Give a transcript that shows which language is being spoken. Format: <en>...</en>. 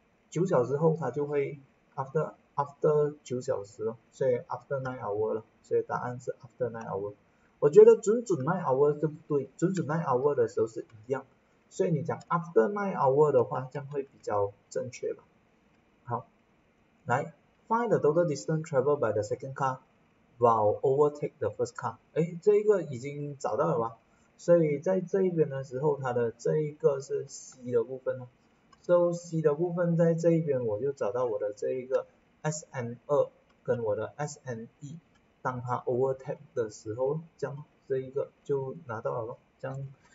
<zh>九小时后，它就会 after 九小时了，所以</zh> <en>after 9 hour</en> <zh>了，所以答案是 after 9 hour。我觉得准准 9 hour 就不对，准准 9 hour 的时候是一样，所以你讲 after 9 hour 的话，这样会比较正确吧。</zh> <en>好，来 find the total distance traveled by the second car while overtake the first car。</en> <zh>哎，这一个已经找到了吧？所以在这一边的时候，它的这一个是 C 的部分呢。周 C 的部分在这一边，我就找到我的这一个 SN2 跟我的 SNE，当它 overtake 的时候，将这一个就拿到了，将</zh>